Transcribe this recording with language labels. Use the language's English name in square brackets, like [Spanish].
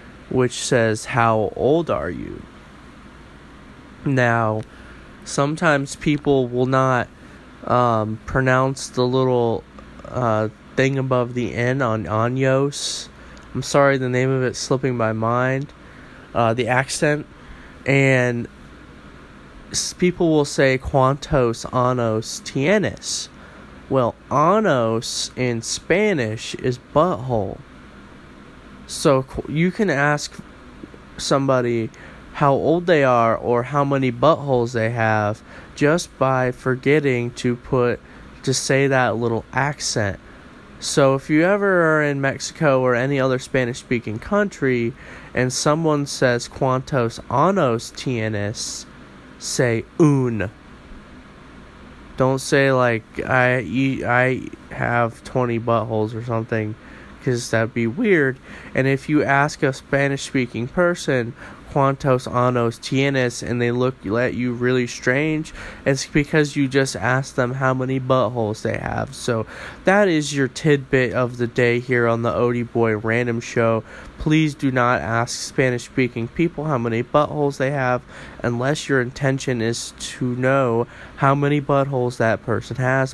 [English] Which says, how old are you? Now, sometimes people will not pronounce the little thing above the N on años. I'm sorry, the name of it slipping my mind. The accent. And people will say, [Spanish] ¿Cuántos años tienes? [English] Well, años in Spanish is butthole. So, you can ask somebody how old they are or how many buttholes they have just by forgetting to say that little accent. So, if you ever are in Mexico or any other Spanish-speaking country and someone says, [Spanish] ¿Cuántos años tienes? [English] Say, un. Don't say, like, I have 20 buttholes or something. Because that would be weird. And if you ask a Spanish-speaking person, [Spanish] ¿Cuántos años tienes? [English] And they look at you really strange, it's because you just asked them how many buttholes they have. So that is your tidbit of the day here on the Odie Boy Random Show. Please do not ask Spanish-speaking people how many buttholes they have unless your intention is to know how many buttholes that person has.